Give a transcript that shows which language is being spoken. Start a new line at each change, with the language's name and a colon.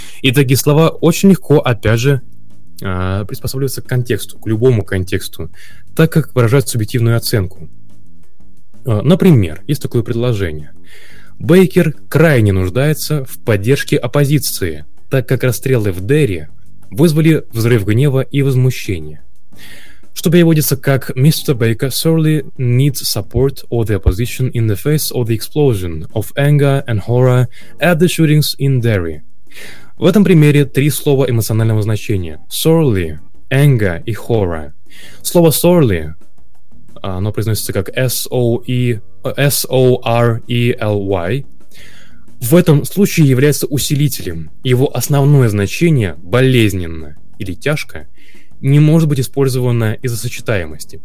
Russian: И такие слова очень легко, опять же, приспосабливаться к контексту, к любому контексту, так как выражают субъективную оценку. Например, есть такое предложение. Бейкер крайне нуждается в поддержке оппозиции, так как расстрелы в Дерри вызвали взрыв гнева и возмущения. Что переводится как «Mr.
English: Baker sorely needs support of the opposition in the face of the explosion of anger and horror at the shootings in Derry».
Russian: В этом примере три слова эмоционального значения.
English: Sorely, anger и horror.
Russian: Слово sorely, оно произносится как S-O-R-E-L-Y, в этом случае является усилителем. Его основное значение, болезненно или тяжко, не может быть использовано из-за сочетаемости.